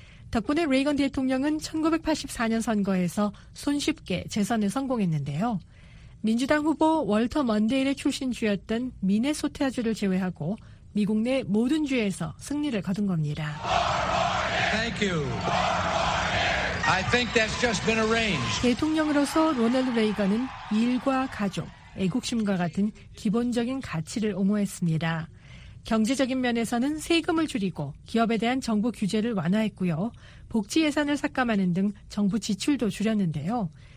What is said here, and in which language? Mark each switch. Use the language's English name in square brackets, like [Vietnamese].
[Korean] 덕분에 레이건 대통령은 1984년 선거에서 손쉽게 재선에 성공했는데요. 민주당 후보 월터 먼데일의 출신주였던 미네소타주를 제외하고 미국 내 모든 주에서 승리를 거둔 겁니다. [English] Thank you. I think that's just been arranged. [Korean] 대통령으로서 로널드 레이건은 일과 가족, 애국심과 같은 기본적인 가치를 옹호했습니다. 경제적인 면에서는 세금을 줄이고 기업에 대한 정부 규제를 완화했고요. 복지 예산을 삭감하는 등 정부 지출도 줄였는데요.